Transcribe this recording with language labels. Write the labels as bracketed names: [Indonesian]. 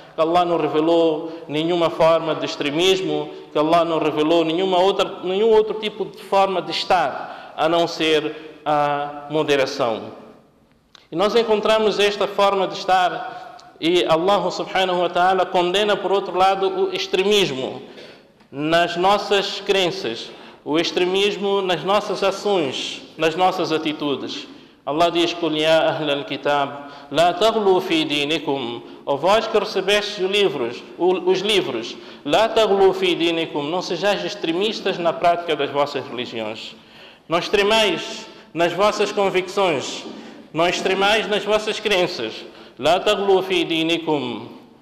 [Portuguese] Que Allah não revelou nenhuma forma de extremismo, que Allah não revelou nenhum outro tipo de forma de estar, a não ser a moderação. E nós encontramos esta forma de estar, e Allah subhanahu wa ta'ala condena, por outro lado, o extremismo nas nossas crenças, o extremismo nas nossas ações, nas nossas atitudes. Allah diz: [Arabic] قُلْ يَا أَهْلَ الْكِتَابِ لَا تَغْلُوا فِي دِينِكُمْ. [Portuguese] Ó vós que recebestes os livros, [Arabic] لَا تَغْلُوا فِي دِينِكُمْ. [Portuguese] Não sejais extremistas na prática das vossas religiões. Não extremais nas vossas convicções. Não extremais nas vossas crenças. [Arabic] لَا تَغْلُوا فِي دِينِكُمْ.